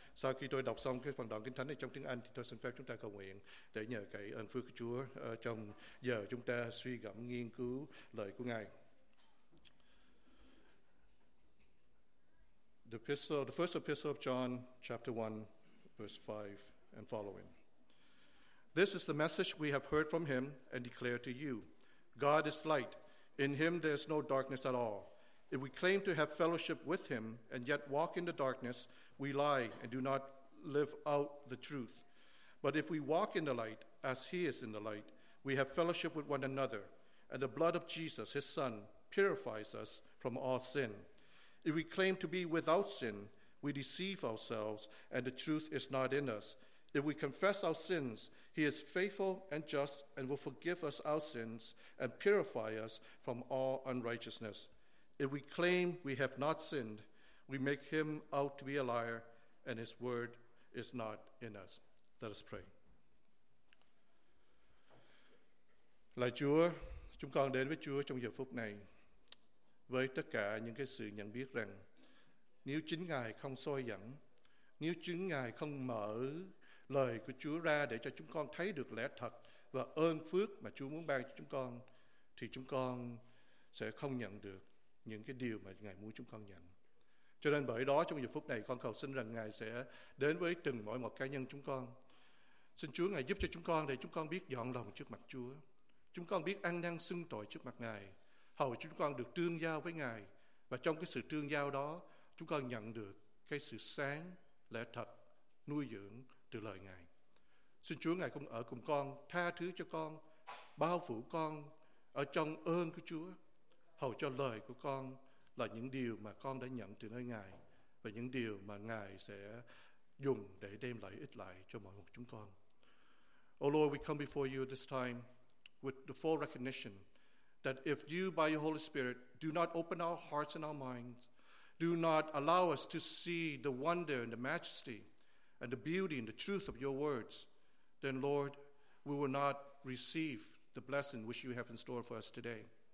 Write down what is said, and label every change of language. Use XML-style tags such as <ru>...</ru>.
<vi>Sau khi tôi đọc xong cái phần đoạn Kinh Thánh này trong tiếng Anh, thì tôi xin phép chúng ta cầu nguyện để nhờ cái ơn phước của Chúa trong giờ chúng ta suy gẫm nghiên cứu lời của Ngài.</vi> <en>The first epistle of John, chapter 1, verse 5 and following. This is the message we have heard from Him and declare to you. God is light. In Him there is no darkness at all. If we claim to have fellowship with him and yet walk in the darkness, we lie and do not live out the truth. But if we walk in the light, as he is in the light, we have fellowship with one another, and the blood of Jesus, his son, purifies us from all sin. If we claim to be without sin, we deceive ourselves, and the truth is not in us. If we confess our sins, he is faithful and just and will forgive us our sins and purify us from all unrighteousness. If we claim we have not sinned, we make him out to be a liar, and his word is not in us. Let us pray.</en> <vi>Lạy Chúa, chúng con đến với Chúa trong giờ phút này với tất cả những cái sự nhận biết rằng nếu chính Ngài không soi dẫn, nếu chính Ngài không mở lời của Chúa ra để cho chúng con thấy được lẽ thật và ơn phước mà Chúa muốn ban cho chúng con, thì chúng con sẽ không nhận được những cái điều mà Ngài muốn chúng con nhận. Cho nên bởi đó trong giờ phút này con cầu xin rằng Ngài sẽ đến với từng mỗi một cá nhân chúng con. Xin Chúa Ngài giúp cho chúng con để chúng con biết dọn lòng trước mặt Chúa. Chúng con biết ăn năn xưng tội trước mặt Ngài, hầu chúng con được tương giao với Ngài. Và trong cái sự tương giao đó, chúng con nhận được cái sự sáng, lẽ thật, nuôi dưỡng từ lời Ngài. Xin Chúa Ngài cũng ở cùng con, tha thứ cho con, bao phủ con ở trong ơn của Chúa, hầu cho lời của con là những điều mà con đã nhận từ nơi Ngài và những điều mà Ngài sẽ dùng để đem lợi ích lại cho mọi người chúng con.</vi> <en>Oh Lord, we come before you this time with the full recognition that if you, by your Holy Spirit, do not open our hearts and our minds, do not allow us to see the wonder and the majesty and the beauty and the truth of your words, then, Lord, we will not receive the blessing which you have in store for us today.</en>